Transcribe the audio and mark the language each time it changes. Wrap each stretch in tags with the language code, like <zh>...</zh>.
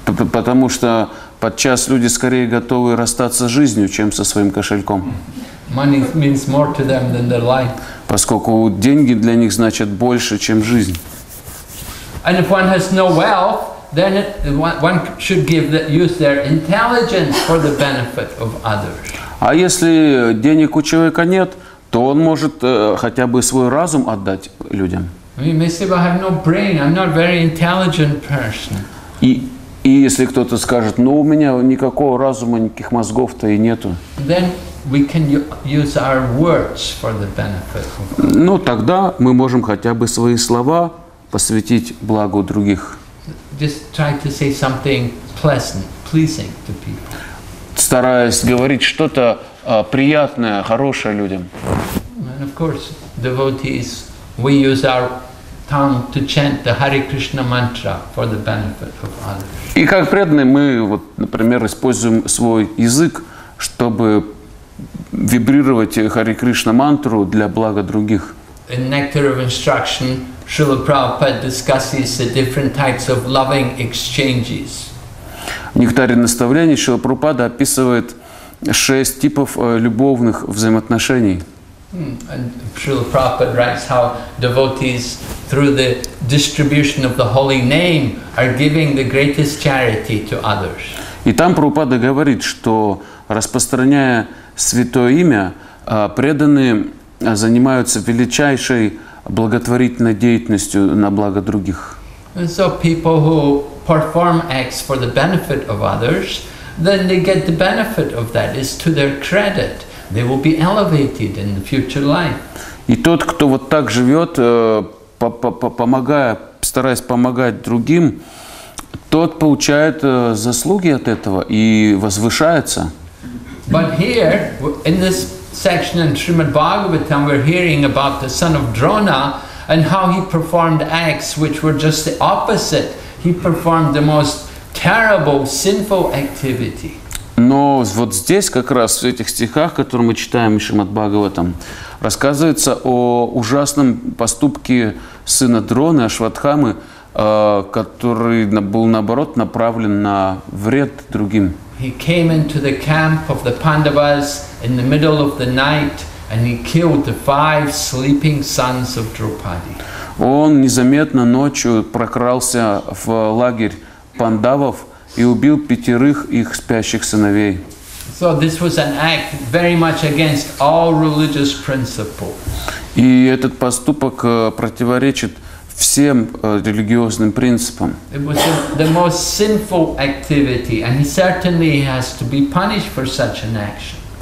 <ru>Потому что подчас люди скорее готовы расстаться с жизнью, чем со своим кошельком.</ru> <en>Money means more to them than their life.</en> <ru>Поскольку деньги для них значат больше, чем жизнь.</ru> <en>And if one has no wealth, then one should give use their intelligence for the benefit of others.</en> <ru>А если денег у человека нет, то он может хотя бы свой разум отдать людям.</ru> <en>You may say, "I have no brain. I'm not a very intelligent person."</en> <ru>И если кто-то скажет, ну у меня никакого разума, никаких мозгов-то и нету.</ru> <en>Then we can use our words for the benefit.</en> <ru>Ну тогда мы можем хотя бы свои слова посвятить благу других.</ru> <en>Just try to say something pleasant, pleasing to people.</en> <ru>Стараясь говорить что-то приятное, хорошее людям.</ru> <en>And of course, devotees, we use our tongue to chant the Hare Krishna mantra for the benefit of others.</en> <ru>И как преданные мы, вот, например, используем свой язык, чтобы вибрировать Хари Кришна мантру для блага других.</ru> <en>In Nectar of Instruction, Srila Prabhupada discusses the different types of loving exchanges.</en> <ru>В Нектаре наставлений Шрила Прабхупада описывает 6 типов любовных взаимоотношений.</ru> <en>Srila Prabhupada writes how devotees, through the distribution of the holy name, are giving the greatest charity to others.</en> <ru>И там Прабхупада говорит, что распространяя святое имя, преданные занимаются величайшей благотворительной деятельностью на благо других.</ru> <en>And so people who perform acts for the benefit of others, then they get the benefit of that. It's to their credit. They will be elevated in the future life.</en> <ru>И тот, кто вот так живет, помогая, стараясь помогать другим, тот получает заслуги от этого и возвышается.</ru> <en>But here, in this section in Srimad Bhagavatam, we're hearing about the son of Drona and how he performed acts which were just the opposite. He performed the most terrible, sinful activity.</en> <ru>Но вот здесь как раз в этих стихах, которые мы читаем в Шримад Бхагаватам, рассказывается о ужасном поступке сына Дроны, Ашватхамы, который был наоборот направлен на вред другим.</ru> <en>He came into the camp of the Pandavas in the middle of the night and he killed the 5 sleeping sons of Draupadi.</en> <ru>Он незаметно ночью прокрался в лагерь пандавов и убил 5 их спящих сыновей.</ru> <en>So this was an act very much against all religious principles.</en> <ru>И этот поступок противоречит всем религиозным принципам.</ru> <en>It was the most sinful activity, and he certainly has to be punished for such an action.</en>